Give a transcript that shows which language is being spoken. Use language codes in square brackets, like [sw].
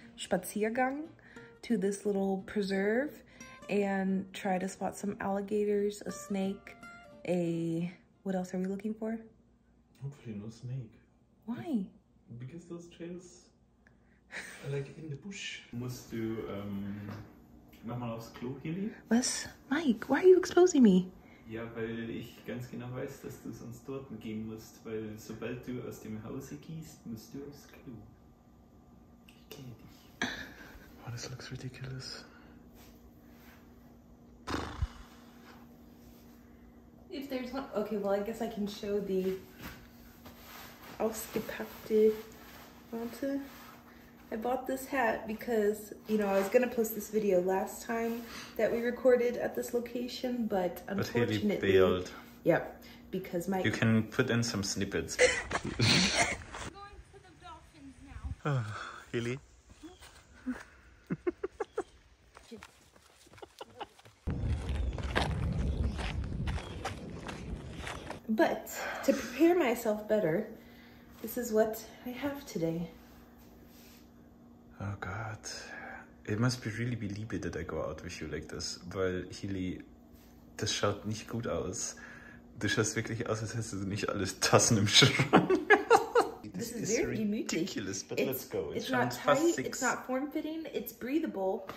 [en] Spaziergang to this little preserve and try to spot some alligators, a snake, what else are we looking for? Hopefully no snake. Why? Because those trails are like in the bush. [de] Musst du nochmal aufs Klo, Hilly? Was? [en] Mike, why are you exposing me? [de] Ja, weil ich ganz genau weiß, dass du sonst dort gehen musst, weil sobald du aus dem Hause gehst, musst du aufs Klo. Ich kenne dich. [en] Oh, this looks ridiculous. If there's one, okay, well, I guess I can show the [de] ausgepackte Monte. [en] I bought this hat because, you know, I was gonna post this video last time that we recorded at this location, but unfortunately, but Hayley bailed. Yep, because my you can put in some snippets. Going to the dolphins now. Oh, Hayley. But to prepare myself better, this is what I have today. Oh God, it must be really be liebe that I go out with you like this, [de] weil Hayley, das schaut nicht gut aus. Du schaust wirklich aus, als hättest du nicht alle Tassen im Schrank. [en] This is very ridiculous, but it's, let's go. It's not tight, it's not form-fitting, it's breathable,